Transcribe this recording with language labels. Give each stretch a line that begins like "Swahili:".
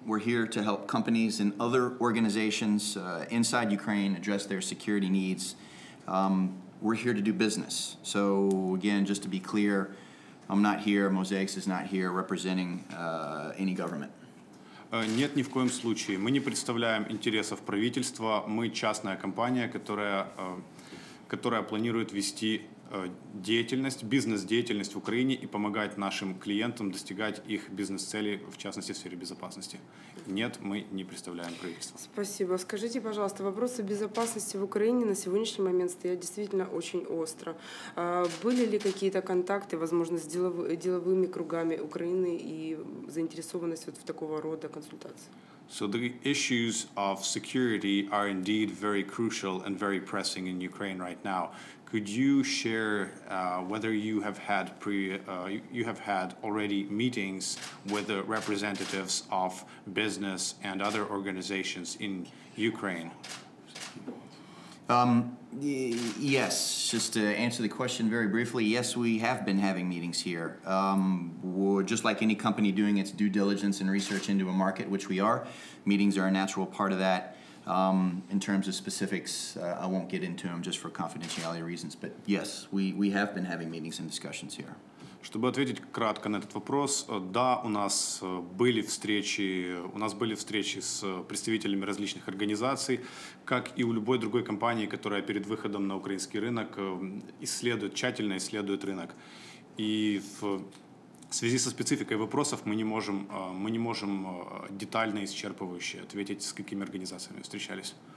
English: We're here to help companies and other organizations inside Ukraine address their security needs. We're here to do business. So again, just to be clear, I'm not here, Mosaic is not here representing any government.
Russian: Нет, ни в коем случае. Мы не представляем интересов правительства. Мы частная компания, которая планирует вести деятельность, бизнес-деятельность в Украине и помогать нашим клиентам достигать их бизнес-целей, в частности, в сфере безопасности. Нет, мы не представляем правительство. Спасибо. Скажите, пожалуйста, вопросы безопасности в Украине на сегодняшний момент стоят действительно очень остро. Были ли какие-то контакты, возможно, с деловыми кругами Украины и заинтересованность вот в такого рода консультации?
English: So the issues of security are indeed very crucial and very pressing in Ukraine right now. Could you share whether you have had already meetings with the representatives of business and other organizations in Ukraine? Yes, just to answer the question very briefly, yes, we have been having meetings here. Just like any company doing its due diligence and research into a market, which we are, meetings are a natural part of that. In terms of specifics, I won't get into them just for confidentiality reasons, but yes, we have been having meetings and discussions here.
Russian: Чтобы ответить кратко на этот вопрос, да, у нас были встречи с представителями различных организаций, как и у любой другой компании, которая перед выходом на украинский рынок тщательно исследует рынок. И в связи со спецификой вопросов мы не можем детально исчерпывающе ответить, с какими организациями встречались.